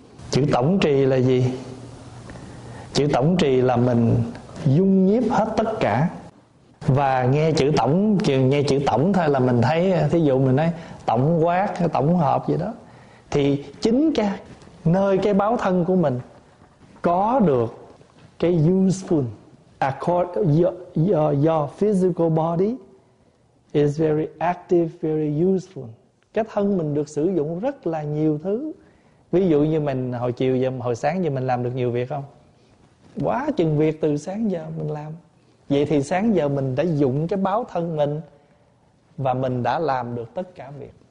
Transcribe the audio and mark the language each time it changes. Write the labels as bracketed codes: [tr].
[vi] Chữ tổng trì là gì? Chữ tổng trì là mình dung nhiếp hết tất cả. Và nghe chữ tổng, nghe chữ tổng thôi là mình thấy, thí dụ mình nói tổng quát, tổng hợp gì đó. Thì chính cái nơi cái báo thân của mình có được cái useful. [en] According your physical body is very active, very useful. [vi] Cái thân mình được sử dụng rất là nhiều thứ. Ví dụ như mình hồi chiều giờ, hồi sáng giờ mình làm được nhiều việc không? Quá chừng việc từ sáng giờ mình làm. Vậy thì sáng giờ mình đã dụng cái báo thân mình và mình đã làm được tất cả việc.